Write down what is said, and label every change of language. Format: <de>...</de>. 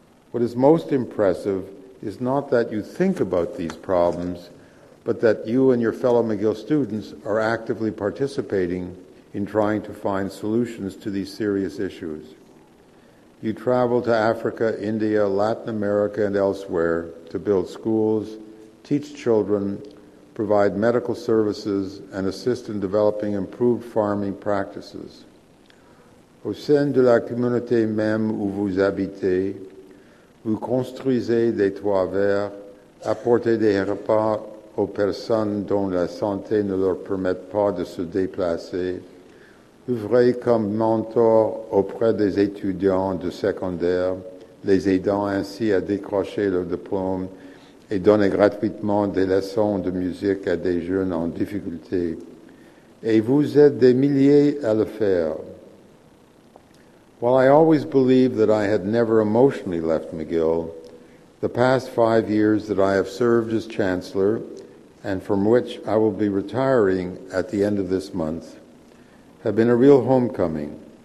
<en>What is most impressive is not that you think about these problems, but that you and your fellow McGill students are actively participating in trying to find solutions to these serious issues. You travel to Africa, India, Latin America, and elsewhere to build schools, teach children, provide medical services, and assist in developing improved farming practices.</en> <fr>Au sein de la communauté même où vous habitez, vous construisez des toits verts, apportez des repas aux personnes dont la santé ne leur permet pas de se déplacer, œuvrez comme mentor auprès des étudiants de secondaire, les aidant ainsi à décrocher leur diplôme et donner gratuitement des leçons de musique à des jeunes en difficulté. Et vous êtes des milliers à le faire.</fr> <en>While I always believed that I had never emotionally left McGill, the past 5 years that I have served as chancellor, and from which I will be retiring at the end of this month, have been a real homecoming.</en>